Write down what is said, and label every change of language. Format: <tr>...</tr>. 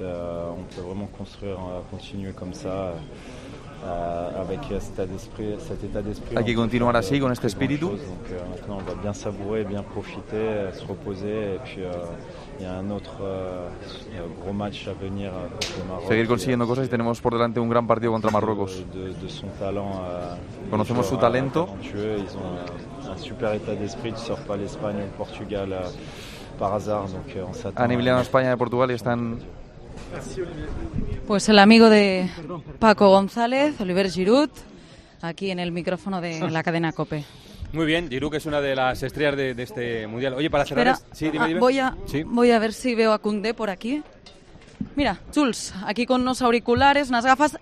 <fr>On peut vraiment construire, continuer comme ça, avec cet état d'esprit.</fr> <es>Hay que continuar así, con este espíritu.</es> <fr>Donc maintenant, on va bien savourer, bien profiter, se reposer. Et puis, il y a un autre gros match à venir contre le Maroc.</fr> <es>Seguir consiguiendo cosas y tenemos por delante un gran partido contra Marruecos.</es> <fr>De son talent.</fr> <es>Conocemos su talento.</es> <fr>Ils ont un super état d'esprit. Tu ne sors pas l'Espagne ou le Portugal par hasard. Donc, on s'attend.</fr> <es>Han eliminado a España y Portugal y están. Pues el amigo de Paco González, Oliver Giroud, aquí en el micrófono de la cadena COPE. Muy bien, Giroud, que es una de las estrellas de este Mundial. Oye, para cerrar... Sí, dime. Voy a ver si veo a Koundé por aquí. Mira, Jules, aquí con unos auriculares, unas gafas.</es>